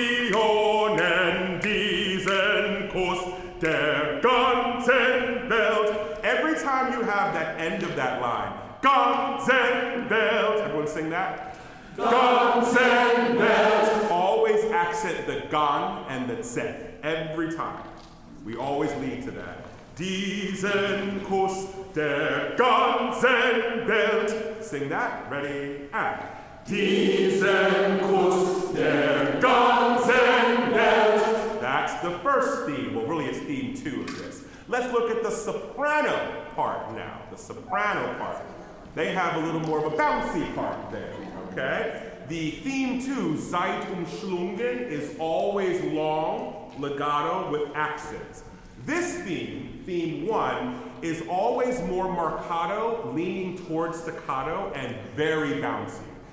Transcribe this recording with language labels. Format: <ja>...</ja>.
<de>Millionen diesen Kuss der ganzen Welt.</de> <en>Every time you have that end of that line,</en> <de>ganzen Welt.</de> <en>Everyone sing that?</en> <de>Ganzen Welt.</de> <en>Always accent the gan and the zen. Every time. We always lead to that.</en> <de>Diesen Kuss der ganzen Welt.</de> <en>Sing that. Ready? Ah.</en> <de>Diesen Kuss der ganzen Welt.</de> <en>That's the first theme. Well, really, it's theme two of this. Let's look at the soprano part now. The soprano part. They have a little more of a bouncy part there, okay? The theme two,</en> <de>Zeit und Schlungen,</de> <en>is always long. Legato with accents. This theme, theme one, is always more marcato, leaning towards staccato, and very bouncy.</en>